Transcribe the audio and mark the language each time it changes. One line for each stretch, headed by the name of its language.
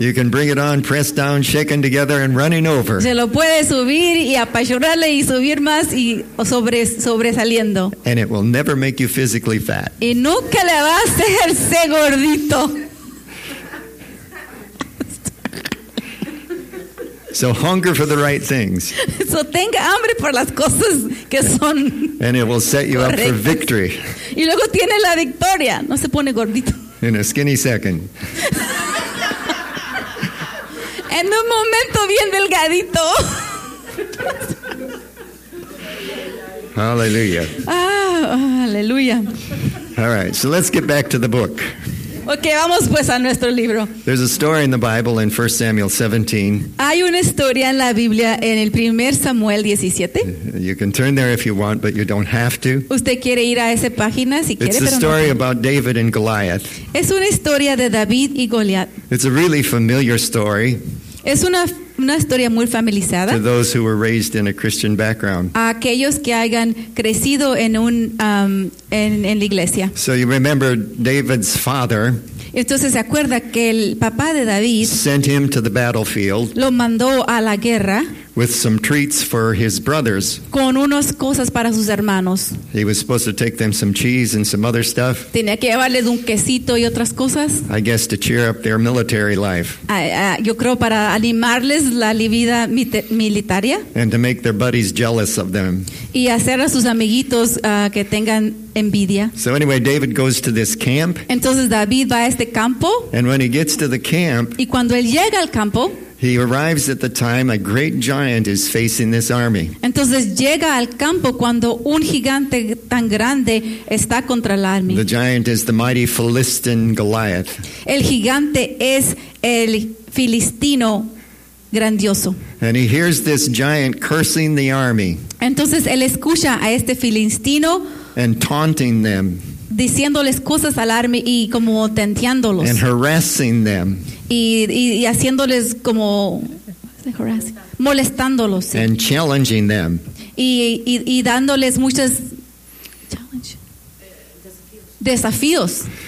English: You can bring it on, pressed down, shaken together, and running over.
Spanish: Se lo puede subir y apachurrarle y subir más y sobresaliendo.
English: And it will never make you physically fat.
Spanish: Y nunca le va a hacerse gordito.
English: So hunger for the right things.
Spanish: So tenga hambre por las cosas que son.
English: And it will set you up for victory.
Spanish: Y luego tiene la victoria. No se pone gordito.
English: In a skinny second.
Spanish: En un momento bien delgadito.
English: Hallelujah.
Spanish: Hallelujah.
English: All right. So let's get back to the book.
Spanish: Okay, vamos pues a nuestro libro.
English: There's a story in the Bible in 1 Samuel 17.
Spanish: Hay una historia en la Biblia en el 1 Samuel 17.
English: You can turn there if you want, but you don't have to.
Spanish: Usted quiere ir a esa página si quiere, pero no.
English: It's a story about David and Goliath.
Spanish: Es una historia de David y Goliath.
English: It's a really familiar story.
Spanish: Es una historia muy familiarizada.
English: To those who were raised in a Christian background.
Spanish: A aquellos que hayan crecido en un en la iglesia.
English: So you remember David's father.
Spanish: Entonces se acuerda que el papá de David
English: sent him to the battlefield.
Spanish: Lo mandó a la guerra.
English: With some treats for his brothers.
Spanish: Con unas cosas para sus hermanos.
English: He was supposed to take them some cheese and some other stuff.
Spanish: Tenía que llevarles un quesito y otras cosas.
English: I guess to cheer up their military life.
Spanish: Yo creo para animarles la vida militaria.
English: And to make their buddies jealous of them.
Spanish: Y hacer a sus amiguitos que tengan envidia.
English: So anyway, David goes to this camp.
Spanish: Entonces David va a este campo.
English: And when he gets to the camp.
Spanish: Y cuando él llega al campo.
English: He arrives at the time a great giant is facing this army.
Spanish: Entonces llega al campo cuando un gigante tan grande está contra el army.
English: The giant is the mighty Philistine Goliath.
Spanish: El gigante es el filistino grandioso.
English: And he hears this giant cursing the army.
Spanish: Entonces él escucha a este filistino
English: and taunting them.
Spanish: Diciéndoles cosas al army y como tenteándolos.
English: And harassing them.
Spanish: Y haciéndoles como molestándolos, sí.
English: And challenging them.
Spanish: Y dándoles muchos desafíos.